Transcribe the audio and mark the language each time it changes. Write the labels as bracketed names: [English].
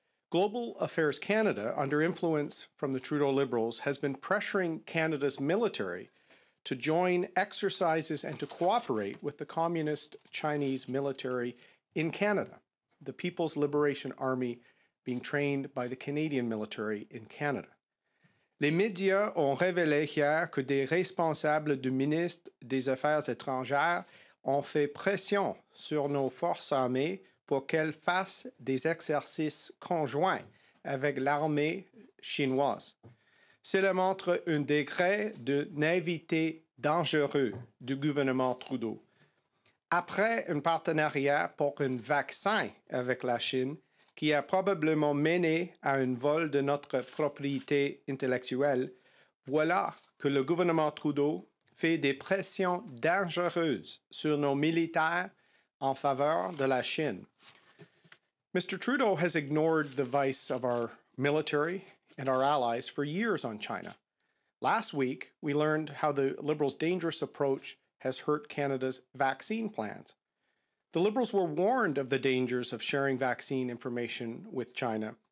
[English] Global Affairs Canada, under influence from the Trudeau Liberals, has been pressuring Canada's military to join exercises and to cooperate with the communist Chinese military in Canada, the People's Liberation Army being trained by the Canadian military in Canada. [French] Les médias ont révélé hier que des responsables du ministre des Affaires étrangères ont fait pression sur nos forces armées pour qu'elles fassent des exercices conjoints avec l'armée chinoise. Cela montre un degré de naïveté dangereux du gouvernement Trudeau. Après un partenariat pour un vaccin avec la Chine, qui a probablement mené à un vol de notre propriété intellectuelle, voilà que le gouvernement Trudeau fait des pressions dangereuses sur nos militaires en faveur de la Chine. [English] Mr. Trudeau has ignored the vice of our military and our allies for years on China. Last week, we learned how the Liberals' dangerous approach has hurt Canada's vaccine plans. The Liberals were warned of the dangers of sharing vaccine information with China.